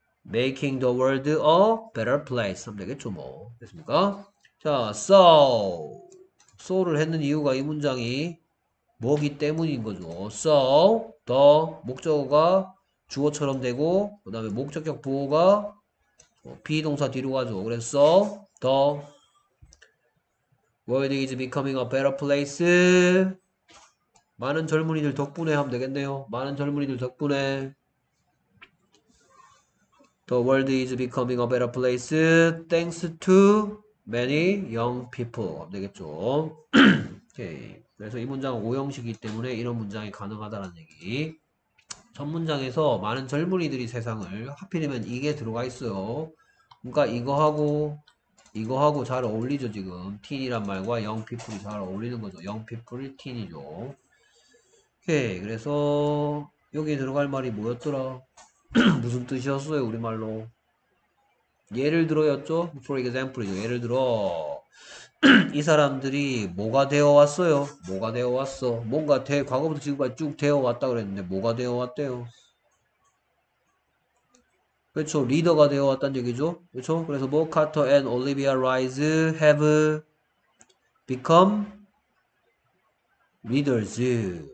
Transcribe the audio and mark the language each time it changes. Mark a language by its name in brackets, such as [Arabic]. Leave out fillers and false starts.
[English] Making the world a better place. [Korean] 3개 조목. 됐습니까? 자, so를 했는 이유가 이 문장이 뭐기 때문인 거죠. So, the 목적어가 주어처럼 되고, 그 다음에 목적격 보호가 비동사 뒤로 가죠. [English] 그래서, the world is becoming a better place. [Korean] 많은 젊은이들 덕분에 하면 되겠네요. 많은 젊은이들 덕분에. [English] The world is becoming a better place thanks to many young people. [Korean] 되겠죠. 오케이. 그래서 이 문장은 오형식이기 때문에 이런 문장이 가능하다는 얘기. 첫 문장에서 많은 젊은이들이 세상을, 하필이면 이게 들어가 있어요. 그러니까 이거하고 잘 어울리죠, 지금. teen이란 말과 [English] young people [Korean] 이 잘 어울리는 거죠. young people, teen이죠. 오케이. 그래서 여기 들어갈 말이 뭐였더라? 무슨 뜻이었어요, 우리말로? 예를 들어였죠? [English] For example [Korean] 이죠. 예를 들어, 이 사람들이 뭐가 되어 왔어요? 뭐가 되어 왔어? 뭔가 과거부터 지금까지 쭉 되어 왔다 그랬는데, 뭐가 되어 왔대요? 그렇죠. 리더가 되어 왔단 얘기죠? 그렇죠? [English] 그래서, 뭐, Carter and Olivia Rice have become leaders.